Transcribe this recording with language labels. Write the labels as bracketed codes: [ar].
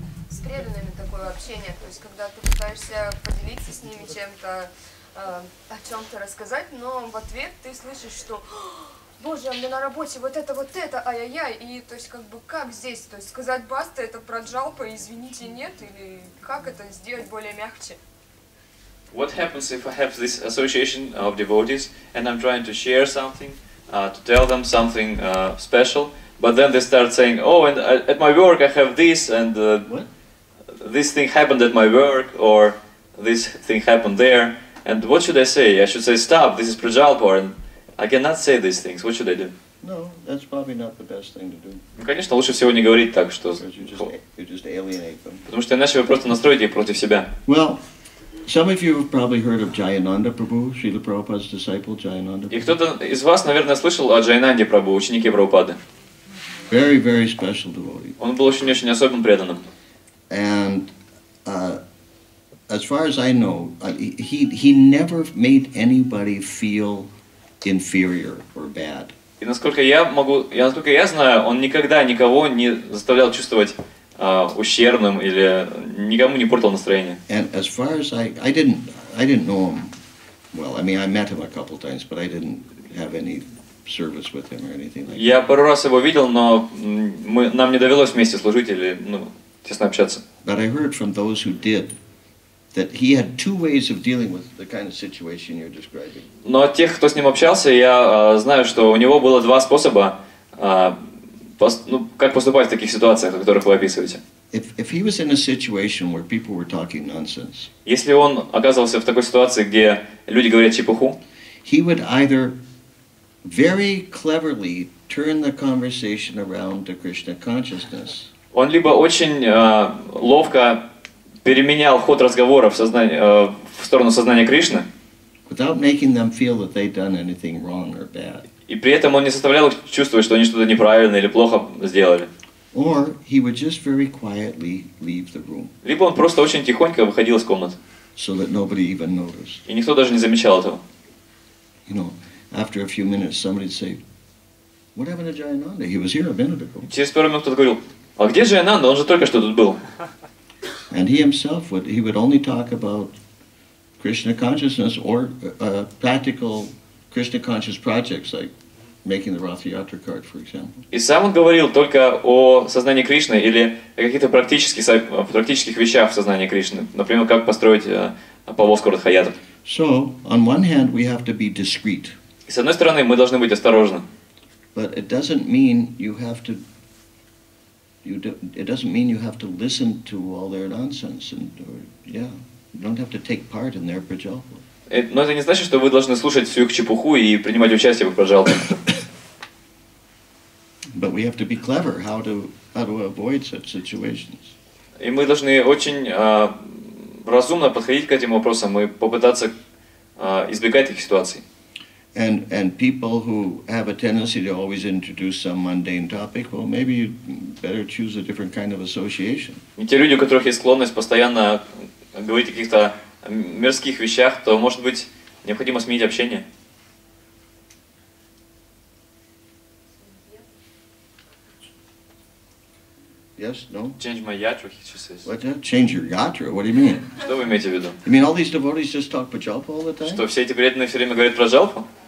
[ru] С преданными такое общение, то есть когда ты пытаешься поделиться с ними чем-то, о чем-то рассказать, но в ответ ты слышишь, что «Боже, а мне на работе вот это, ай-яй-яй!» И то есть как бы как здесь, то есть сказать «Баста, это проджалпа, извините, нет?» Или как это сделать более мягче? [en] What happens if I have this association of devotees and I'm trying to share something, to tell them something special, but then they start saying, oh, and at my work I have this, and this thing happened at my work, or this thing happened there. And what should I say? I should say, stop, this is prajalpa, and I cannot say these things. What should I do? No, that's probably not the best thing to do. [ru] Ну, конечно, лучше всего не говорить так, что... [en] You just alienate them. [ru] Потому что иначе вы просто настроите их против себя. [en] Well, some of you have probably heard of Jayananda Prabhu, Srila Prabhupada's disciple, Jayananda Prabhu. [ru] И кто-то из вас, наверное, слышал о Джайананде Прабху, ученике Прабхупады. [en] Very, very special devotee. [ru] Он был очень-очень особенным преданным. [en] And as far as I know, he never made anybody feel inferior or bad. [ru] И насколько я знаю, он никогда никого не заставлял чувствовать ущербным или никому не портил настроение. [en] And as far as I didn't know him well. I mean, I met him a couple times, but I didn't have any service with him or anything like that. [ru] Я пару раз его видел, но нам не довелось вместе служить или тесно общаться. [en] But I heard from those who did that he had two ways of dealing with the kind of situation you're describing. [ru] Но от тех, кто с ним общался, я знаю, что у него было два способа, как поступать в таких ситуациях, о которых вы описываете. [en] If he was in a situation where people were talking nonsense. [ru] Если он оказывался в такой ситуации, где люди говорят чепуху, [en] he would either very cleverly turn the conversation around to Krishna consciousness. [ru] Он либо очень ловко переменял ход разговора в сторону сознания Кришны. [en] Without making them feel that they'd done anything wrong or bad. [ru] И при этом он не заставлял их чувствовать, что они что-то неправильно или плохо сделали. [en] Or he would just very quietly leave the room. [ru] Либо он просто очень тихонько выходил из комнаты. [en] So that nobody even noticed. [ru] И никто даже не замечал этого. [en] You know, after a few minutes, somebody'd say, "What happened to Jayananda? He was here a minute ago." [ru] Через пару минут кто-то говорил, а где Джайананда? Он же только что тут был. [en] And he himself would only talk about Krishna consciousness or practical Krishna conscious projects, like making the Rath Yatra card, for example. [ru] И сам он говорил только о сознании Кришны или о каких-то практических вещах в сознании Кришны, например, как построить повозку Ратха Ятры. [en] So on one hand, we have to be discreet. [ru] И с одной стороны, мы должны быть осторожны. [en] But it doesn't mean you have to. It doesn't mean you have to listen to all their nonsense, you don't have to take part in their prajalpa. [ru] Но это не значит, что вы должны слушать всю их чепуху и принимать участие в их прожалке. [en] But we have to be clever how to avoid such situations. [ru] И мы должны очень разумно подходить к этим вопросам и попытаться избегать таких ситуаций. [en] And people who have a tendency to always introduce some mundane topic, well, maybe you'd better choose a different kind of association. [ru] И те люди, у которых есть склонность постоянно говорить о каких-то мирских вещах, то, может быть, необходимо сменить общение. [en] Yes, no? Change my yatra, he just says. What? Change your yatra? What do you mean? [ru] Что вы имеете в виду? [en] You mean all these devotees just talk about japa all the time? [ru] Что все эти преданные все время говорят про джалпу?